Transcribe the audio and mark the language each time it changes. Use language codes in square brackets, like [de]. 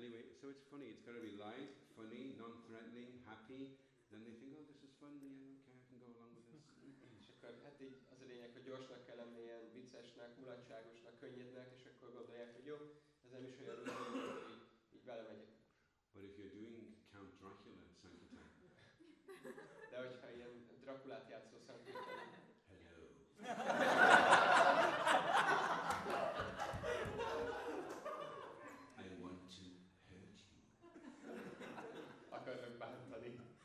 [en] Anyway, so it's funny, it's got to be light, funny, non-threatening, happy. Then they think, oh, this is fun, yeah, okay, I can go along with this. [hu] És akkor hát így az a lényeg, hogy gyorsnak kell lenni, ilyen viccesnek, mulatságosnak, könnyednek, és akkor gondolják, hogy jó, ez nem is olyan, hogy így belemegyek. [en] But if you're doing Count Dracula at Sankitán. [hu] De hogyha ilyen Draculát játszó Sankitán. [en] Hello. I want to hurt you. [hu] Akarok bántani.